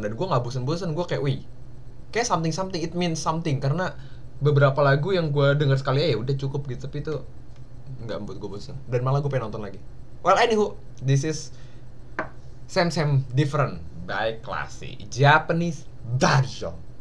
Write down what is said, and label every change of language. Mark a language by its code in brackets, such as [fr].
[id] Dan gue gak bosen-bosen, gue kayak, wih, kayak [en] something-something, it means something. [id] Karena beberapa lagu yang gue denger sekali aja, ya udah cukup gitu, tapi itu gak membuat gue bosen. Dan malah gue pengen nonton lagi. [en] Well, anywho, this is Sam Sam Different by Classy Japanese version.